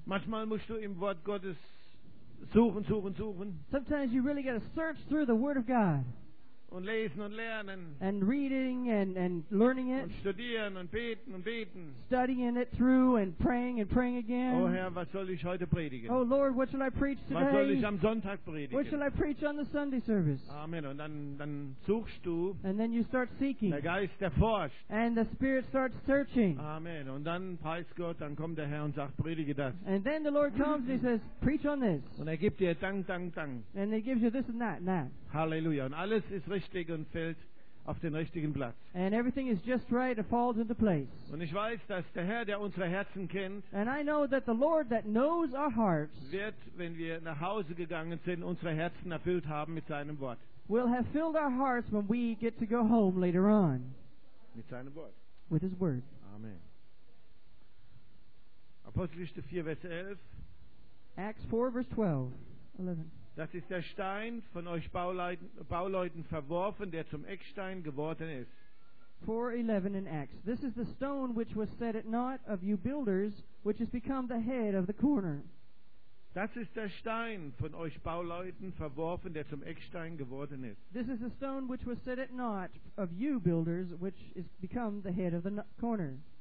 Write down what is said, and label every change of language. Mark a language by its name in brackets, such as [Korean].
[German] Manchmal musst du im Wort Gottes suchen, suchen, suchen. [English] Sometimes you really got to search through the word of God. [German] Und lesen und lernen. [English] And reading and learning it. [German] Und studieren und beten und beten. [English] Studying it through and praying again. [German] Oh Herr, was soll ich heute predigen? [English] Oh Lord, what shall I preach today? [German] Was soll ich am Sonntag predigen? [English] What shall I preach on the Sunday service? [German] Amen. Und dann suchst du. [English] And then you start seeking. [German] Der Geist erforscht. [English] And the Spirit starts searching. Amen. [German] Und dann preist Gott, dann kommt der Herr und sagt, predige das. [English] And then the Lord comes and He says, preach on this. [German] Und gibt dir dang, dang, dang. [English] And He gives you this and that and that. Halleluja. [German] Und alles ist richtig und fällt auf den richtigen Platz. [English] And everything is just right, it falls into place. [German] Und ich weiß, dass der Herr, der unsere Herzen kennt, [English] and I know that the Lord that knows our hearts, [German] wird, wenn wir nach Hause gegangen sind, unsere Herzen erfüllt haben mit seinem Wort. [English] Will have filled our hearts when we get to go home later on. [German] Mit seinem Wort. [English] With His word. Amen. [German] Apostelgeschichte 4, Vers 11. [English] Acts 4, Vers 12. [German] Das ist der Stein von euch Bauleuten verworfen, der zum Eckstein geworden ist. [English] 4:11 in Acts. This is the stone which was set at naught of you builders, which has become the head of the corner. [German] Das ist der Stein von euch Bauleuten verworfen, der zum Eckstein geworden ist. [English] This is the stone which was set at naught of you builders, which has become the head of the corner.